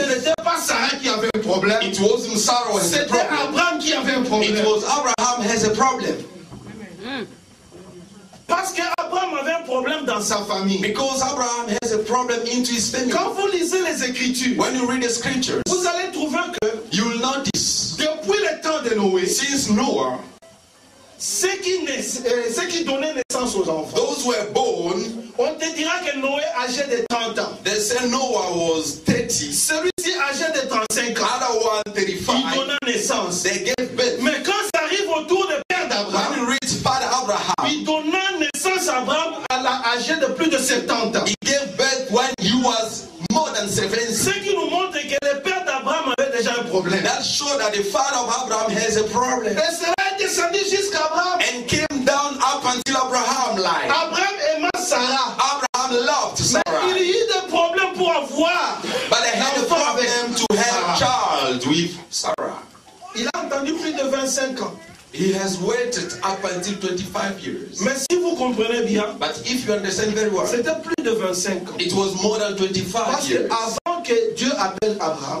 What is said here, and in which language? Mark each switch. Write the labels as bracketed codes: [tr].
[fr] ce n'était pas Sarah qui avait un problème. [en] It wasn't Sarah who had a problem. [fr] C'était Abraham qui avait un problème. [en] It was Abraham has a problem. [fr] Parce que Abraham avait un problème dans sa famille. [en] Because Abraham has a problem into his family. [fr] Quand vous lisez les Écritures, [en] when you read the Scriptures, [fr] vous allez trouver que [en] you will notice. [fr] Depuis le temps de Noé, [en] since Noah, [fr] ceux qui donnaient naissance aux enfants, [en] those who were born, [fr] on te dira que Noé âgeait de 30 ans. [en] They said Noah was 30. [fr] Celui-ci âgeait de 35 ans. [en] Other one 35. [fr] Il donna naissance. [en] They gave birth. [fr] Mais quand ça arrive au tour de père d'Abraham, [en] when he reached father Abraham, [fr] il donna naissance à Abraham à l'âge de plus de 70 ans. [en] He gave birth when he was more than 70. [fr] Ce qui nous montre que le père d'Abraham avait déjà un problème. [en] That showed that the father of Abraham has a problem. And came down up until Abraham life. [fr] Abraham aimait Sarah. [en] Abraham loved Sarah. [fr] Mais il y a des problèmes pour avoir. [en] But he had a problem to have a child with Sarah. [fr] Il a attendu plus de 25 ans. [en] He has waited up until 25 years. [fr] Mais si vous comprenez bien, [en] but if you understand very well, [fr] c'était plus de 25 ans. [en] It was more than 25 [fr] parce [en] years. [fr] Avant que Dieu appelle Abraham,